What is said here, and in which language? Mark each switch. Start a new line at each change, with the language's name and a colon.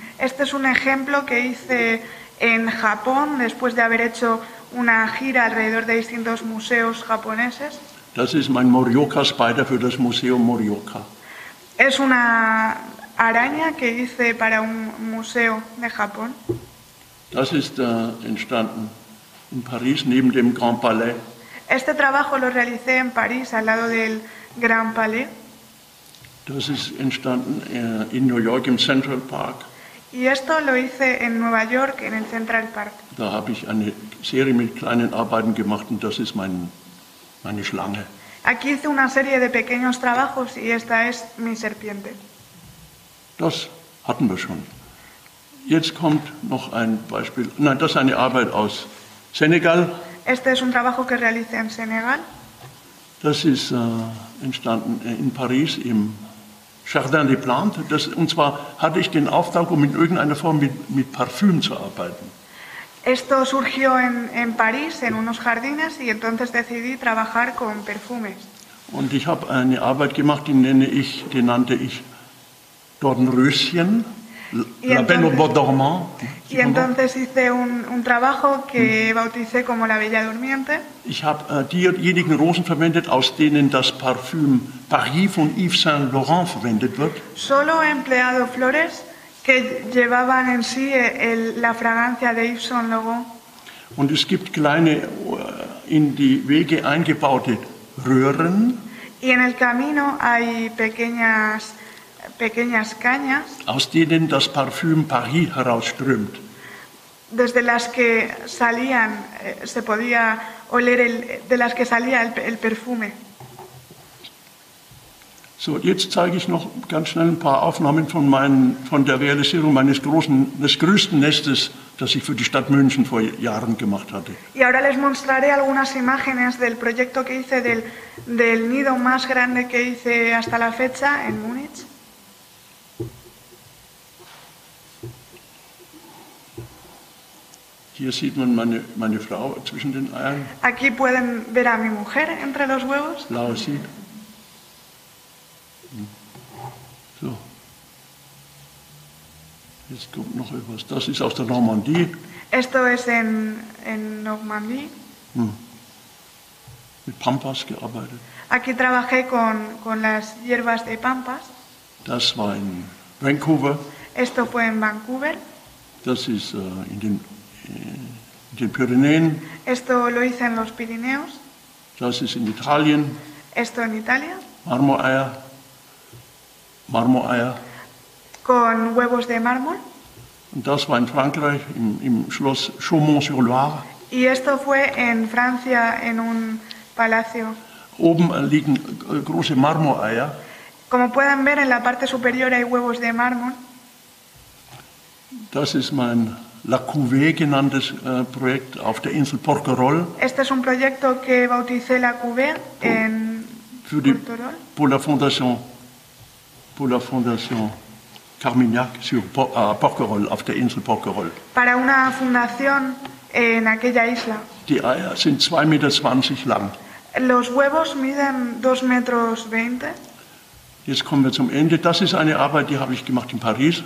Spanish: Este es un ejemplo que hice en Japón después de haber hecho una gira alrededor de distintos museos japoneses.
German: Das ist mein Morioka Spider für das Museum Morioka.
Spanish: Es una araña que hice para un museo de Japón.
German: Das ist entstanden in Paris neben dem Grand Palais.
Spanish: Este trabajo lo realicé en París al lado del Grand Palais.
German: Das ist entstanden in New York im Central Park.
Spanish: Y esto lo hice en Nueva York en el Central Park.
German: Da habe ich eine Serie mit kleinen Arbeiten gemacht und das ist meine Schlange.
Spanish: Aquí hice una serie de pequeños trabajos y esta es mi serpiente.
German: Das hatten wir schon. Jetzt kommt noch ein Beispiel. Nein, das ist eine Arbeit aus Senegal.
Spanish: Este es un trabajo que realicé en Senegal.
German: Das ist entstanden in Paris im Jardin des Plantes. Das, und zwar hatte ich den Auftrag, um in irgendeiner Form mit Parfüm zu arbeiten.
Spanish: Esto surgió en París, en unos jardines, y entonces decidí trabajar con perfumes.
German: Und ich habe eine Arbeit gemacht, die nannte ich Dornröschen, La Belle au Bois Dormant.
Spanish: Y entonces hice un trabajo que bauticé como La Bella Durmiente.
German: Ich habe diejenigen Rosen verwendet, aus denen das Parfüm Paris von Yves Saint Laurent verwendet wird.
Spanish: Solo he empleado flores que llevaban en sí la fragancia de Yves Saint Laurent.
German: Und es gibt kleine in die Wege eingebaute Röhren.
Spanish: Y en el camino hay pequeñas cañas.
German: Aus denen das Parfüm Paris herausströmt.
Spanish: Desde las que salían se podía oler de las que salía el perfume.
German: So, jetzt zeige ich noch ganz schnell ein paar Aufnahmen von der Realisierung des größten Nestes, das ich für die Stadt München vor Jahren gemacht hatte.
Spanish: Y ahora les mostraré algunas imágenes del proyecto que hice del nido más grande que hice hasta la fecha en Múnich.
German: Hier sieht man meine Frau zwischen den Eiern.
Spanish: Aquí pueden ver a mi mujer entre los huevos.
German: Blau sieht. So. Jetzt kommt noch etwas. Das ist aus der Normandie.
Spanish: Esto es en Normandie.
German: Mit Pampas gearbeitet.
Spanish: Aquí trabajé con las hierbas de Pampas.
German: Das war in Vancouver.
Spanish: Esto fue en Vancouver.
German: Das ist in den Pyrenäen.
Spanish: Esto lo hice en los Pirineos.
German: Das ist in Italien.
Spanish: Esto en Italia.
German: Marmoreier.
Spanish: Con huevos de mármol.
German: Und das war in Frankreich im Schloss Chaumont-sur-Loire.
Spanish: Y esto fue en Francia en un palacio.
German: Oben liegen große Marmoreier.
Spanish: Como pueden ver en la parte superior hay huevos de mármol.
German: Das ist mein La Cuvée genanntes Projekt auf der Insel Porquerolles.
Spanish: Este es un proyecto que bauticé La Cuvée en
French: Porquerolles. Pour la fondation Carmignac sur Porquerolles,
German: auf der Insel Porquerolles.
Spanish: Para una fundación en aquella isla.
German: Die Eier sind 2,20 Meter lang.
Spanish: Los huevos miden 2,20 Meter.
German: Jetzt kommen wir zum Ende. Das ist eine Arbeit, die habe ich gemacht in Paris.